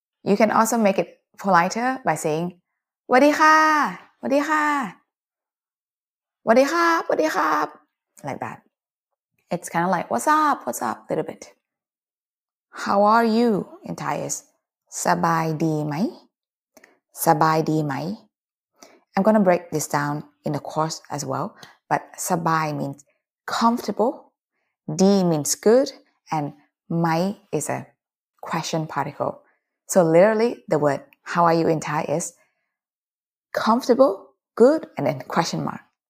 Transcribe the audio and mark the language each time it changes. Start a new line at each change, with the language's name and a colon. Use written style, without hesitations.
English: You can also make it politer by saying
Thai: สวัสดีค่ะ, สวัสดีค่ะ, สวัสดีครับ, สวัสดีครับ,
English: like that. It's kind of like what's up, a little bit. How are you? In Thai is
Thai: สบายดีไหม, สบายดีไหม.
English: I'm gonna break this down in the course as well. But sabai means comfortable, d means good, and mai is a question particle. So literally, the word how are you in Thai is comfortable, good, and then question mark.